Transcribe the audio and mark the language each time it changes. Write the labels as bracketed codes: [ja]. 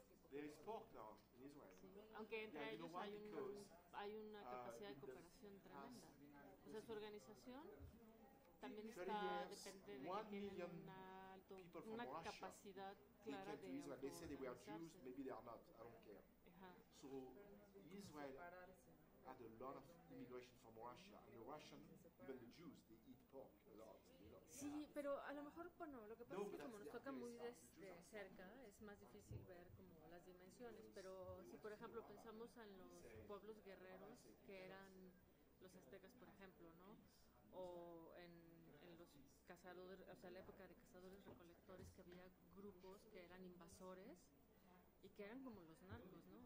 [en] There is pork now in Israel. [es] Sí. Aunque entre ellos hay una capacidad de cooperación tremenda. O sea, su organización también está dependiente de que tienen una capacidad clara de autoorganizarse. [en] So, Israel... had a lot of immigration from Russia, and the Russians, even the Jews, they eat pork a lot. [es] Sí, pero a lo mejor, bueno, lo que pasa es que como nos toca muy de cerca, es más difícil ver como las dimensiones, pero si, por ejemplo, pensamos en los pueblos guerreros, que eran los aztecas, por ejemplo, ¿no? O en los cazadores, o sea, la época de cazadores-recolectores, que había grupos que eran invasores y que eran como los narcos, ¿no?